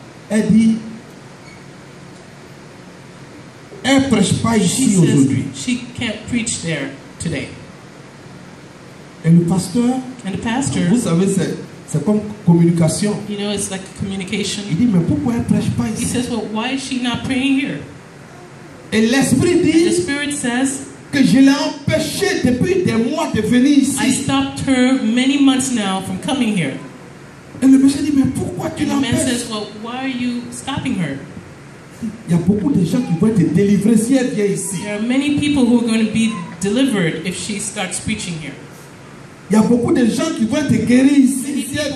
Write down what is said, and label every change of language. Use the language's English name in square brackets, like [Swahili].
[French] Elle dit. Elle ne prêche pas ici [English] she [French] aujourd'hui. [English] She can't preach there today. [French] Et le pasteur. [English] And the pastor, [French] vous savez c'est. C'est comme communication. [English] You know, it's like communication. [French] Il dit, mais pourquoi elle ne prêche pas ici? [English] He says, well, why is she not praying here? [French] Et l'esprit dit, [English] and the spirit says, [French] que je l'ai empêché depuis des mois de venir ici. [English] I stopped her many months now from coming here. [French] Et le monsieur dit, mais pourquoi [English] and [French] tu l'empêches? [English] The man says, well, why are you stopping her? [French] Il y a beaucoup de gens qui vont être délivrés si elle vient ici. [English] There are many people who are going to be delivered if she starts preaching here. [French] Il y a beaucoup de gens qui vont être guéris ici.